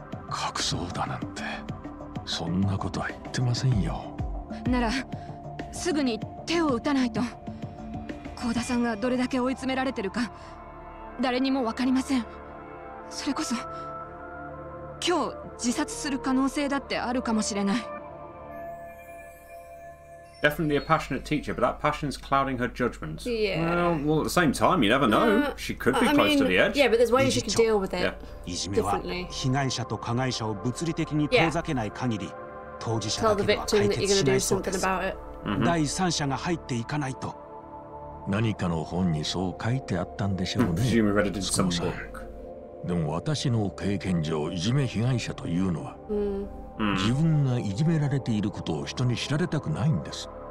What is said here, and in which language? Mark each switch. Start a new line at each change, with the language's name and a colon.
Japanese: 隠そうだなんて、そんなことは言ってませんよ。なら、すぐに手を打たないと。甲田さんがどれだけ追い詰められてるか、誰にもわかりません。それこそ、今日自殺する可能性だってあるかもしれない。
English: Definitely a passionate teacher, but that passion's clouding her judgment. Yeah. Well, at the same time, you never know. She could be close to the edge. Yeah, but there's ways she can deal with it.
Japanese: いじめは被害者と加害者を物理的に遠ざけない限り、当事者だけは解決しないそうです。
English: Tell the victim that you're going to do something about it.
Japanese: 第三者が入っていかないと。何かの本にそう書いてあったんでしょうね。
English: Presumably read it in some book.
Japanese: でも私の経験上、いじめ被害者というのは、自分がいじめられていることを人に知られたくないんです。